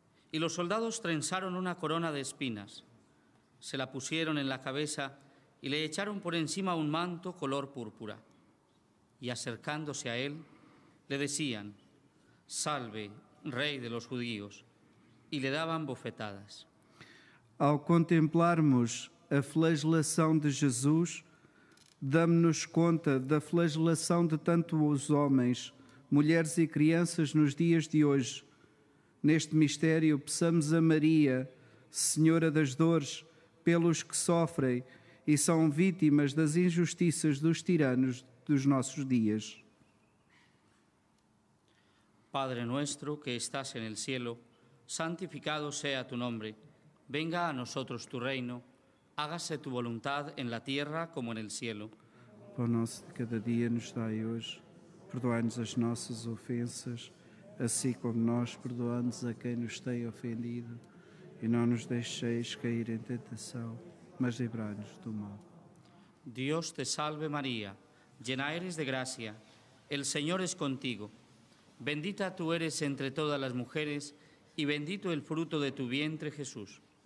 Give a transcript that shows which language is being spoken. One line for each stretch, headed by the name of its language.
Spanish: Y los soldados trenzaron una corona de espinas. Se la pusieron en la cabeza y le echaron por encima un manto color púrpura. Y acercándose a él, le decían: «Salve, rey de los judíos», y le daban bofetadas.
Portuguese: Al contemplarmos a flagelação de Jesus, damos-nos conta da flagelação de tantos homens, mulheres e crianças nos dias de hoje. Neste mistério, peçamos a Maria, Senhora das Dores, pelos que sofrem e são vítimas das injustiças dos tiranos dos nossos dias.
Spanish: Padre nuestro que estás en el cielo, santificado sea tu nombre. Venga a nosotros tu reino. Hágase tu voluntad en la tierra como en el cielo.
Portuguese: Pão nosso de cada dia nos dai hoje. Perdoai-nos as nossas ofensas, assim como nós perdoamos a quem nos tem ofendido. E não nos deixeis cair em tentação, mas livrai-nos do mal.
Spanish: Dios te salve María, llena eres de gracia, el Señor es contigo. Bendita tú eres entre todas las mujeres y bendito el fruto de tu vientre Jesús.